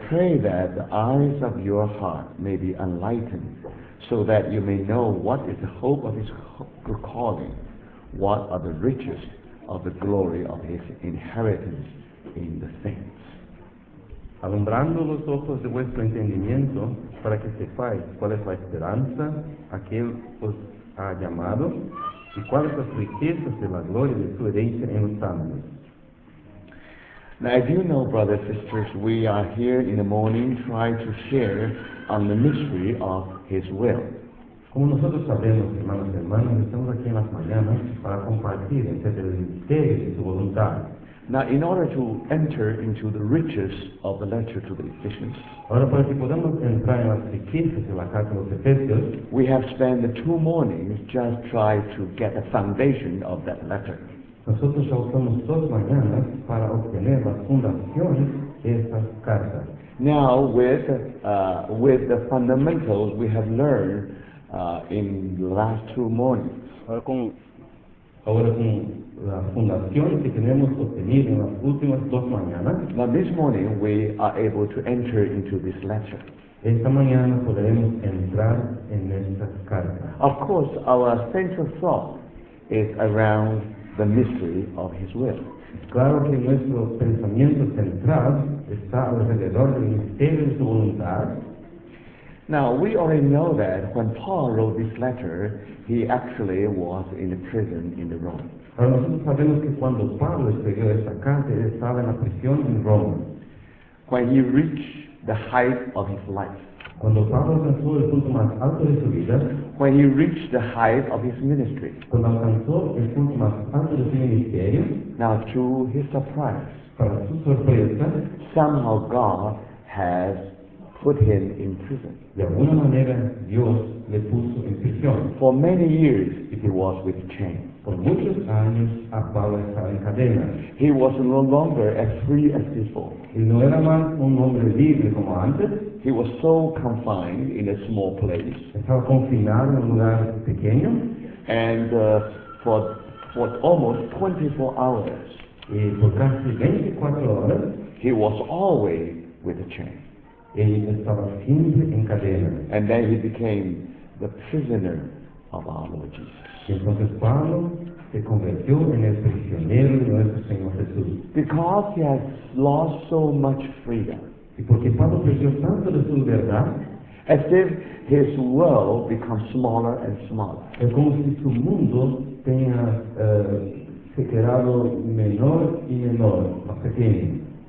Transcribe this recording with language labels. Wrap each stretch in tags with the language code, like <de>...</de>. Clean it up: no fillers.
<en>pray that the eyes of your heart may be enlightened, so that you may know what is the hope of his calling, what are the riches of the glory of his inheritance in the saints.</en> <es>Alumbrando los ojos de vuestro entendimiento para que sepáis cuál es la esperanza a que Él os ha llamado y cuáles las riquezas de la gloria de su herencia en los santos.</es> <en>Now, as you know, brothers and sisters, we are here in the morning trying to share on the mystery of His will.</en> <es>Como nosotros sabemos, hermanos y hermanas, estamos aquí en las mañanas para compartir entre el misterio de su voluntad.</es> <en>Now, in order to enter into the riches of the letter to the Ephesians,</en> <es>ahora, para que podamos entrar en las riquezas de la carta a los Efesios,</es> <en>we have spent the two mornings just trying to get the foundation of that letter.</en> <es>Nosotros ya usamos dos mañanas para obtener la fundación de esta carta.</es> <en>Now, with the fundamentals we have learned in the last two mornings,</en> <es>ahora con la fundación que tenemos obtenido en las últimas dos mañanas.</es> <en>Now this morning we are able to enter into this letter.</en> <es>Esta mañana podremos entrar en esta carta.</es> <en>Of course, our central thought is around the mystery of His will.</en> <es>Claro que nuestro pensamiento central está alrededor del misterio de su voluntad.</es> <en>Now, we already know that when Paul wrote this letter, he actually was in a prison in Rome.</en> <es>Pero nosotros sabemos que cuando Pablo escribió esta carta, él estaba en la prisión en Roma.</es> <en>When he reached the height of his life.</en> <es>Cuando Pablo alcanzó el punto más alto de su vida.</es> <en>When he reached the height of his ministry.</en> <es>Cuando alcanzó el punto más alto de su ministerio.</es> <en>Now, to his surprise,</en> <es>para su sorpresa,</es> <en>somehow God has put him in prison.</en> <es>De alguna manera, Dios le puso en prisión.</es> <en>For many years, he was with chains.</en> <es>Por muchos años, a Pablo estaba en cadenas.</es> <en>He was no longer as free as before.</en> <es>Y no era más un hombre libre como antes.</es> <en>He was so confined in a small place.</en> <es>Estaba confinado en un lugar pequeño.</es> <en>And for almost 24 hours,</en> <es>y por casi 24 horas,</es> <en>he was always with a chain.</en> <es>Él estaba siempre en cadena.</es> <en>And then he became the prisoner of our Lord Jesus.</en> <es>Y entonces Pablo se convirtió en el prisionero de nuestro Señor Jesús.</es> <en>Because he has lost so much freedom.</en> <es>Y porque Pablo perdió tanto de su libertad.</es> <en>As if his world becomes smaller and smaller.</en> <es>Es como si su mundo tenía se quedado menor y menor, más pequeño.</es>